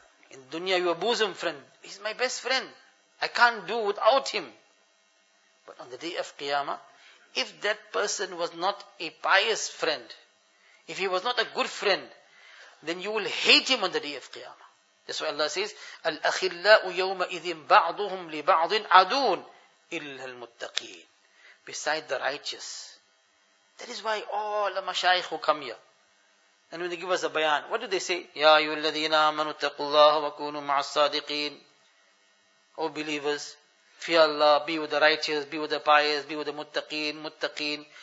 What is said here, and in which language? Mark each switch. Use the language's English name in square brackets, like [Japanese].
[English] In dunya, your bosom friend, he's my best friend, I can't do without him. But on the day of Qiyamah, if that person was not a pious friend, if he was not a good friend, then you will hate him on the day of Qiyamah. That's why Allah says, [Arabic] الْأَخِلَّاءُ يَوْمَئِذٍ بَعْضُهُمْ لِبَعْضٍ عَدُونَ إِلَّا الْمُتَّقِينَ. [English] Beside the righteous. That is why all the mashayikh who come here, and when they give us a bayan, what do they say? [Arabic] يَا أَيُّ الَّذِينَ آمَنُوا اتَّقُوا اللَّهَ وَكُونُوا مَعَ الصَّادِقِينَ. [English] O believers, fear Allah, be with the righteous, be with the pious, be with the muttaqeen.